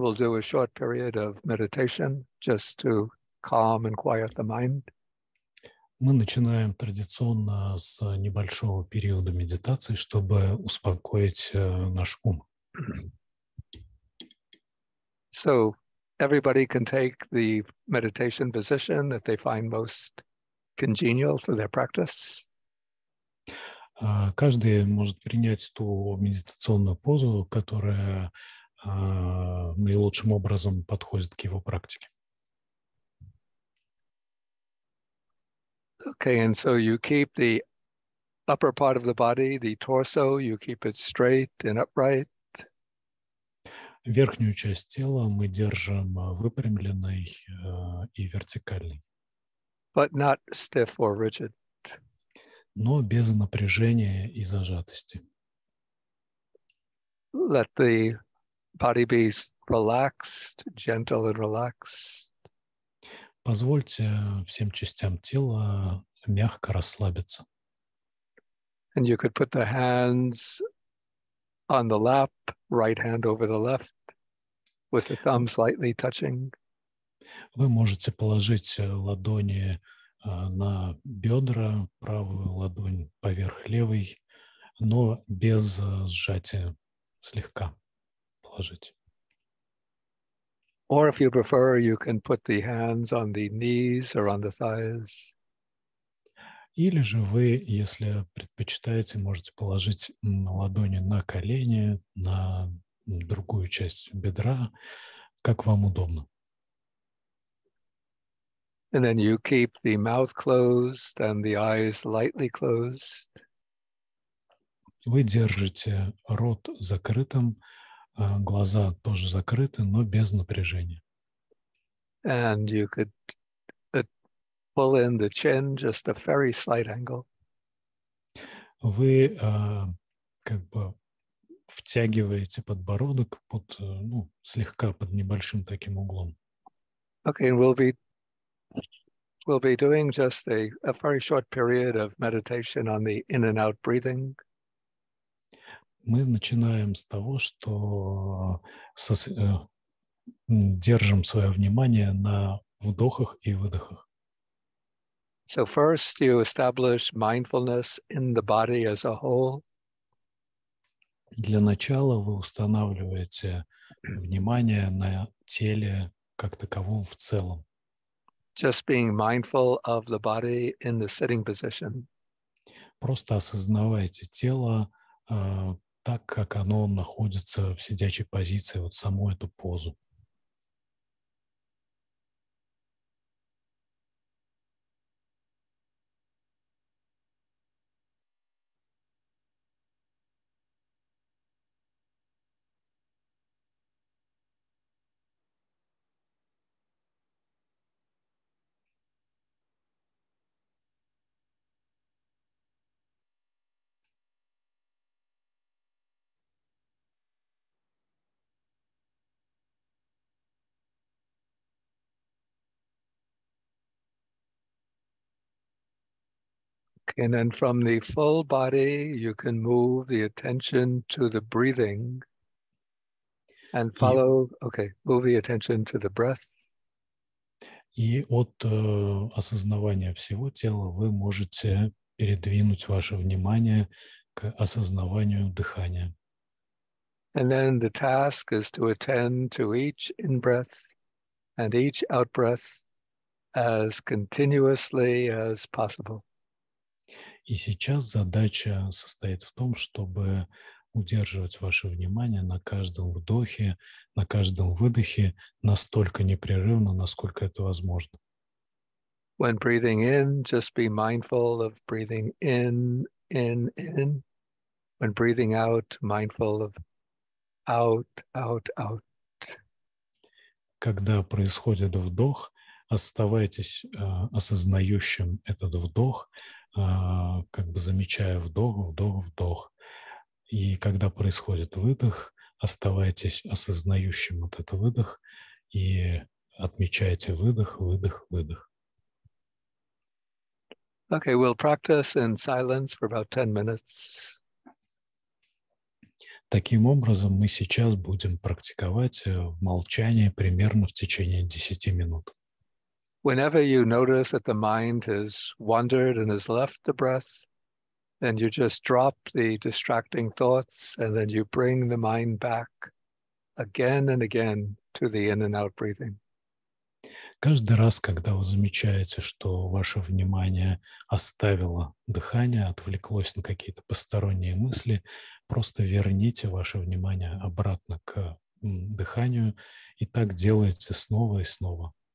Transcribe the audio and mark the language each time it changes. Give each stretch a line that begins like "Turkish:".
English: We'll do a short period of meditation just to calm and quiet the mind.
Russian: Мы начинаем традиционно с небольшого периода медитации, чтобы успокоить наш ум.
English: So everybody can take the meditation position that they find most congenial for their practice.
Russian: Каждый может принять ту медитационную позу, которая наилучшим образом подходит к его практике.
English: Okay, and so you keep the upper part of the body, the torso, you keep it straight and upright.
Russian: Верхнюю часть тела мы держим выпрямленной и вертикальной.
English: But not stiff or rigid.
Russian: Но без напряжения и зажатости.
English: Let the body be relaxed, gentle and relaxed.
Russian: Позвольте всем частям тела мягко расслабиться.
English: And you could put the hands on the lap, right hand over the left, with the thumb slightly touching.
Russian: Вы можете положить ладони на бедра, правую ладонь поверх левой, но без сжатия, слегка положить.
English: Or if you prefer, you can put the hands on the knees or on the thighs.
Russian: Или же вы, если предпочитаете, можете положить ладони на колени, на другую часть бедра, как вам удобно.
English: And then you keep the mouth closed and the eyes lightly closed.
Russian: Вы держите рот закрытым, глаза тоже закрыты, но без напряжения.
English: And you could pull in the chin just a very slight angle.
Russian: Вы как бы втягиваете подбородок под, ну, слегка под небольшим таким углом.
English: Okay, and we'll be doing just a very short period of meditation on the in and out breathing.
Russian: Мы начинаем с того, что держим свое внимание на вдохах и выдохах.
English: So first you establish mindfulness in the body as a whole.
Russian: Для начала вы устанавливаете внимание на теле как таковом в целом.
English: Just being mindful of the body in the sitting position.
Russian: Просто осознавайте тело так, как оно находится в сидячей позиции, вот саму эту позу.
English: And then from the full body, you can move the attention to the breathing and follow, okay, move the attention to the breath.
Russian: И от осознавания всего тела вы можете передвинуть ваше внимание к осознаванию дыхания.
English: And then the task is to attend to each in-breath and each out-breath as continuously as possible.
Russian: И сейчас задача состоит в том, чтобы удерживать ваше внимание на каждом вдохе, на каждом выдохе настолько непрерывно, насколько это возможно.
English: When breathing in, just be mindful of breathing in, in, in. When breathing out, mindful of out, out, out.
Russian: Когда происходит вдох, оставайтесь осознающим этот вдох, как бы замечая вдох, вдох, вдох. И когда происходит выдох, оставайтесь осознающим вот этот выдох и отмечайте выдох, выдох, выдох.
English: Okay, we'll practice in silence for about 10 minutes.
Russian: Таким образом, мы сейчас будем практиковать молчание примерно в течение 10 минут.
English: Whenever you notice that the mind has wandered and has left the breath, then you just drop the distracting thoughts and then you bring the mind back again and again to the in and out breathing.
Russian: Каждый раз, когда вы замечаете, что ваше внимание оставило дыхание, отвлеклось на какие-то посторонние мысли, просто верните ваше внимание обратно к дыханию и так делайте снова и снова.